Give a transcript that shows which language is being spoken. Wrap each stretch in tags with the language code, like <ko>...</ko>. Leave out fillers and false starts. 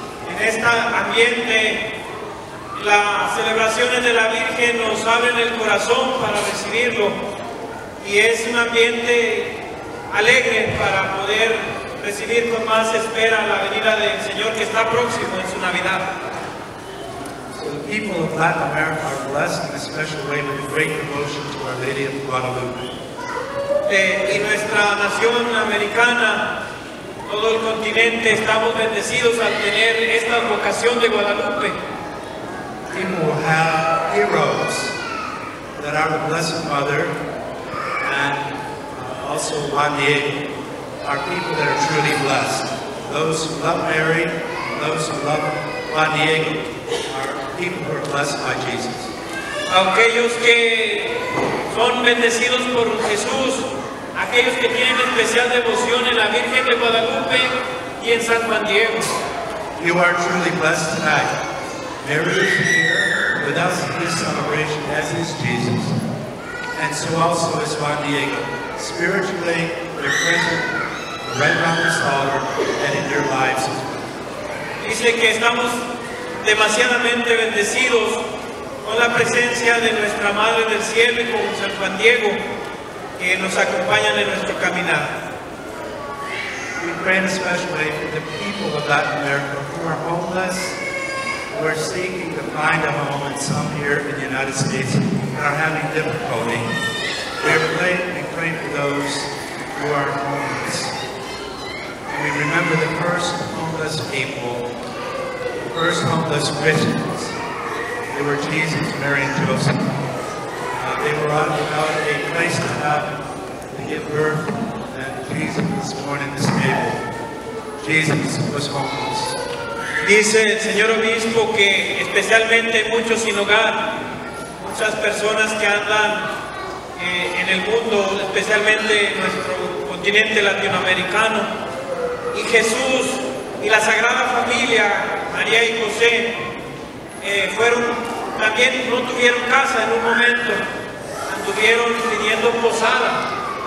<es>En este ambiente, las celebraciones de la Virgen nos abren el corazón para recibirlo, y es un ambiente alegre para poder recibir con más espera la venida del Señor que está próximo en su Navidad.</es> <en>People of Latin America are blessed in a special way with great devotion to Our Lady of Guadalupe.</en> <es>Y nuestra nación americana, todo el continente, estamos bendecidos al tener esta vocación de Guadalupe.</es> <en>People have heroes that are the Blessed Mother and also Juan Diego are people that are truly blessed. Those who love Mary, those who love Juan Diego are people who are blessed by Jesus.</en> <es>Aquellos que son bendecidos por Jesús, aquellos que tienen especial devoción en la Virgen de Guadalupe y en San Juan Diego.</es> <en>You are truly blessed tonight. Mary is here with us in this celebration, as is Jesus. And so also is Juan Diego. Spiritually, they're present right around this altar and in their lives as well.</en> <es>Dice que estamos demasiadamente bendecidos con la presencia de nuestra Madre del Cielo y con San Juan Diego que nos acompañan en nuestro caminar.</es> <en>We pray in a special way for the people of Latin America who are homeless, who are seeking to find a home, and some here in the United States are having difficulty. We pray for those who are homeless. We remember the first homeless people, first homeless Christians. They were Jesus, Mary, and Joseph. They were out without a place to have to give birth, and Jesus was born in this stable. Jesus was homeless.</en> <es>Dice el señor obispo que especialmente muchos sin hogar, muchas personas que andan en el mundo, especialmente en nuestro continente latinoamericano, y Jesús y la Sagrada Familia, María y José, fueron también, no tuvieron casa en un momento, anduvieron pidiendo posada.</es>